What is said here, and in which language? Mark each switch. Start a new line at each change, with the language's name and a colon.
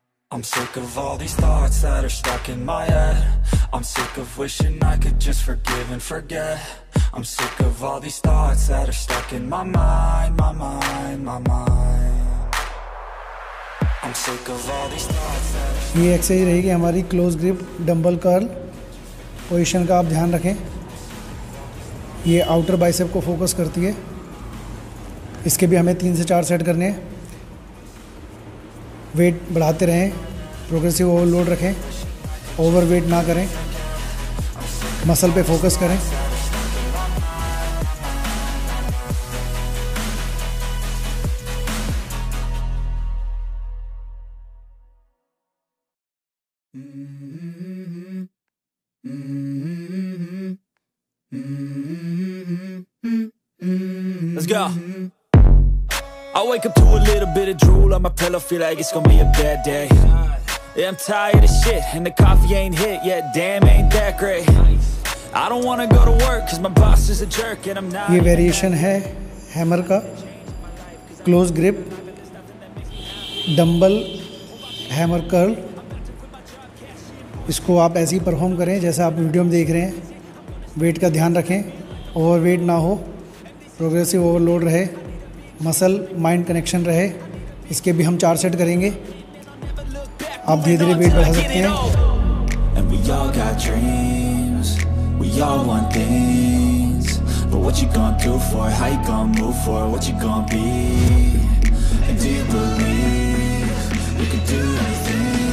English: I'm sick of all these thoughts that are stuck in my head. I'm sick of wishing I could just forgive and forget. I'm sick of all these thoughts that are stuck in my mind, my mind, my mind. I'm sick of all these thoughts that are stuck in my mind.
Hindi: ये exercise रहेगी हमारी close grip dumbbell curl. Position का आप ध्यान रखें, ये outer bicep को focus करती है। इसके भी हमें 3 से 4 सेट करने हैं, वेट बढ़ाते रहें, प्रोग्रेसिव ओवरलोड रखें, ओवरवेट ना करें, मसल पे फोकस करें।
English: I wake up to a little bit of drool on my pillow, feel like it's gonna be a bad day. Yeah, I'm tired of shit and the coffee ain't hit yet, damn ain't that great. I don't wanna go to work cause my boss is a jerk and I'm not.
Hindi: ये variation है hammer का, close grip dumbbell hammer curl. इसको आप ऐसे ही perform करें जैसे आप video में देख रहे हैं, वेट का ध्यान रखें, ओवरवेट ना हो, प्रोग्रेसिव ओवरलोड रहे, मसल माइंड कनेक्शन रहे। इसके भी हम 4 सेट करेंगे, आप धीरे धीरे वेट बढ़ा सकते हैं।
English: And we all got dreams, we all want things, but what you gonna do for it, how you gonna move for it, what you gonna be, and do you believe we could do anything?